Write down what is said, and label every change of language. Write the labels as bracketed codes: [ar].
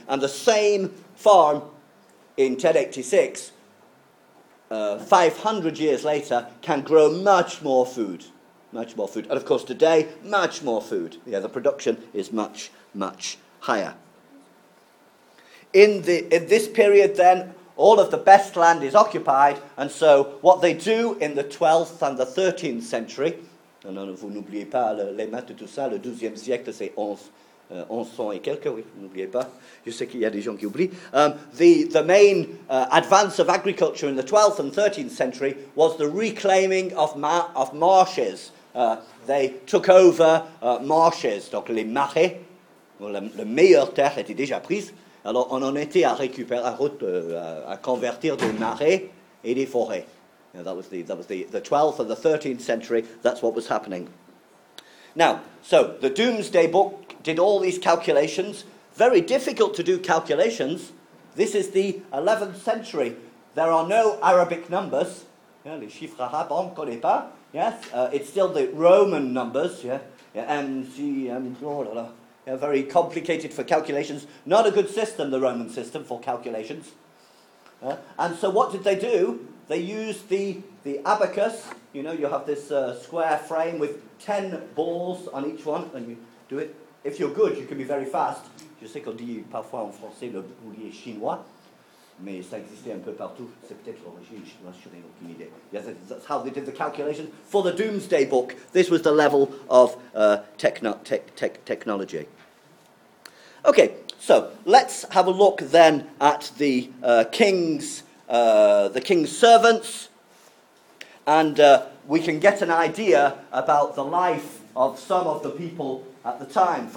[en] And the same farm in 1086, 500 years later, can grow much more food. Much more food. And of course today, much more food. Yeah, the production is much, much higher. In this period then, All of the best land is occupied, and so what they do in the 12th and the 13th century, [fr] non, non, vous n'oubliez pas les maths et tout ça, le 12e siècle, c'est 1100 et quelques, oui, n'oubliez pas. Je sais qu'il y a des gens qui oublient. [en] The main advance of agriculture in the 12th and 13th century was the reclaiming of marshes. They took over marshes, [fr] donc les marais, la meilleure terre était déjà prise. Alors on en était à récupérer, à convertir des marais et des forêts. [en] Now, that was the 12th and the 13th century, that's what was happening. Now, so the Doomsday Book did all these calculations. Very difficult to do calculations. This is the 11th century. There are no Arabic numbers. [fr] Yeah, les chiffres arabes, on ne connaît pas. [en] Yes, it's still the Roman numbers. Yeah, yeah, M, C, M, blah, blah, blah. Yeah, very complicated for calculations. Not a good system, the Roman system, for calculations. And so what did they do? They used the abacus. You know, you have this square frame with 10 balls on each one, and you do it. If you're good, you can be very fast. [fr] Je sais qu'on dit parfois en français le boulier chinois, mais ça existait un peu partout. C'est peut-être l'origine chinoise, je n'ai aucune idée. [en] Yes, that's how they did the calculations for the Doomsday Book. This was the level of technology. Okay, so let's have a look then at the king's servants, and we can get an idea about the life of some of the people at the time.